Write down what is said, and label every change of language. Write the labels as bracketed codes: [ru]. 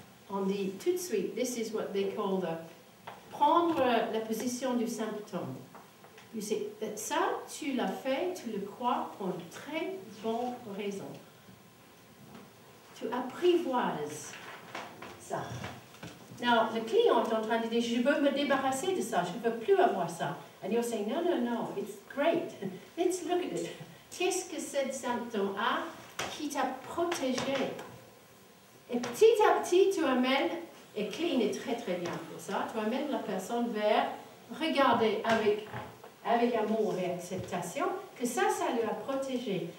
[fr] On dit tout de suite, [en] this is what they call the [fr] prendre la position du symptôme. [en] You say, that [fr] ça, tu l'as fait, tu le crois pour une très bonne raison. Tu apprivoises ça. Now, le client est en train de dire, je veux me débarrasser de ça, je ne veux plus avoir ça. [en] And you're saying, no, no, no, it's great. Let's look at it. [fr] Qu'est-ce que cette symptôme a qui t'a protégé? Et petit à petit, tu amènes, et Clean est très très bien pour ça, tu amènes la personne vers regarder avec amour et acceptation que ça, ça lui a protégé.